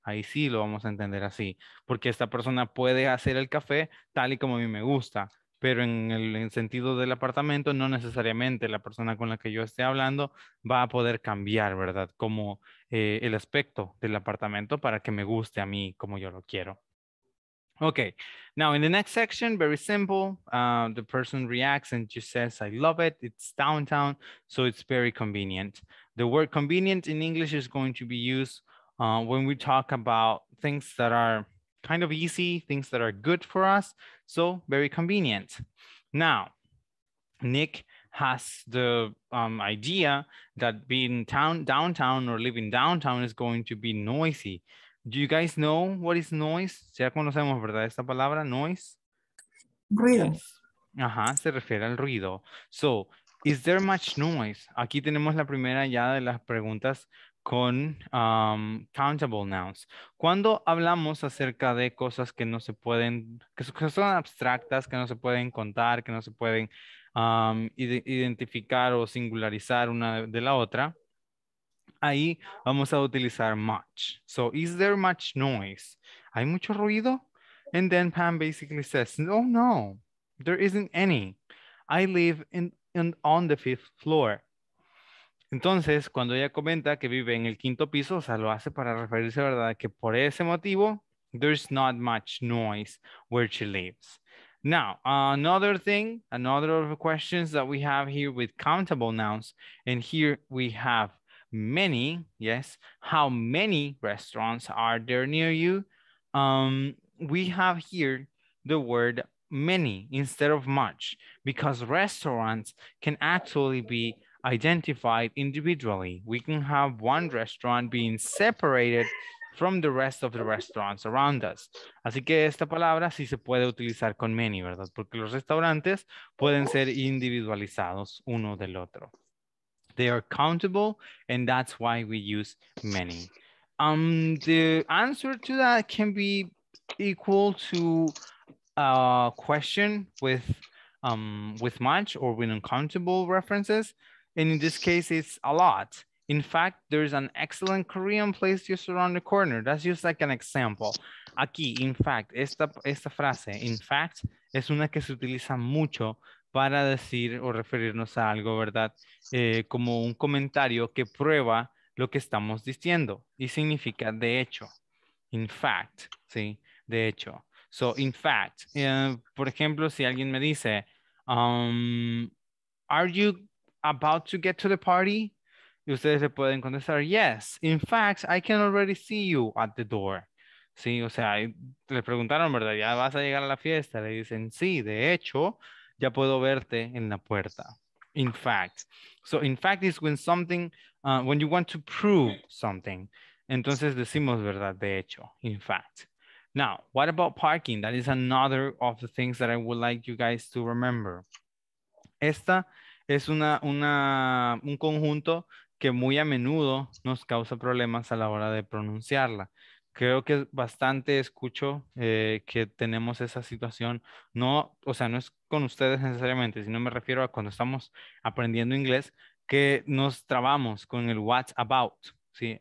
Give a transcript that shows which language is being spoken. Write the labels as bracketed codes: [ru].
[es] Ahí sí lo vamos a entender así, porque esta persona puede hacer el café tal y como a mí me gusta, pero en el sentido del apartamento, no necesariamente la persona con la que yo esté hablando va a poder cambiar, ¿verdad? Como el aspecto del apartamento para que me guste a mí como yo lo quiero. [en] Okay, now in the next section, very simple, the person reacts and just says, I love it, it's downtown, so it's very convenient. The word convenient in English is going to be used when we talk about things that are kind of easy, things that are good for us, so very convenient. Now, Nick has the idea that being downtown or living downtown is going to be noisy. Do you guys know what is noise? [es] ¿Ya conocemos, verdad, esta palabra, [en] noise? [es] Ruido. [en] Yes. [es] Ajá, se refiere al ruido. [en] So, is there much noise? [es] Aquí tenemos la primera ya de las preguntas con countable nouns. Cuando hablamos acerca de cosas que no se pueden, que son abstractas, que no se pueden contar, que no se pueden identificar o singularizar una de la otra, ahí vamos a utilizar much. [en] So, is there much noise? [es] ¿Hay mucho ruido? [en] And then Pam basically says, oh no, there isn't any. I live on the fifth floor. [es] Entonces, cuando ella comenta que vive en el quinto piso, o sea, lo hace para referirse, ¿verdad?, que por ese motivo, [en] there's not much noise where she lives. Now, another thing, another question that we have here with countable nouns, and here we have many, yes, how many restaurants are there near you? We have here the word many instead of much, because restaurants can actually be identified individually. We can have one restaurant being separated from the rest of the restaurants around us. [es] Así que esta palabra sí se puede utilizar con many, ¿verdad? Porque los restaurantes pueden ser individualizados uno del otro. [en] They are countable, and that's why we use many. The answer to that can be equal to a question with much or with uncountable references. And in this case, it's a lot. In fact, there's an excellent Korean place just around the corner. That's just like an example. [es] Aquí, in fact, esta frase, in fact, es una que se utiliza mucho para decir o referirnos a algo, ¿verdad? Como un comentario que prueba lo que estamos diciendo y significa de hecho. [en] In fact, [es] ¿sí? De hecho. [en] So, in fact, [es] por ejemplo, si alguien me dice, [en] are you about to get to the party? [es] Y ustedes le pueden contestar, [en] yes, in fact, I can already see you at the door. [es] Sí, o sea, le preguntaron, ¿verdad? ¿Ya vas a llegar a la fiesta? Le dicen, sí, de hecho, ya puedo verte en la puerta. [en] In fact. So, in fact is when something, when you want to prove something. [es] Entonces decimos, ¿verdad? De hecho, [en] in fact. Now, what about parking? That is another of the things that I would like you guys to remember. [es] Esta es un conjunto que muy a menudo nos causa problemas a la hora de pronunciarla. Creo que bastante escucho que tenemos esa situación. No, o sea, no es con ustedes necesariamente, sino me refiero a cuando estamos aprendiendo inglés, que nos trabamos con el what about. ¿Sí?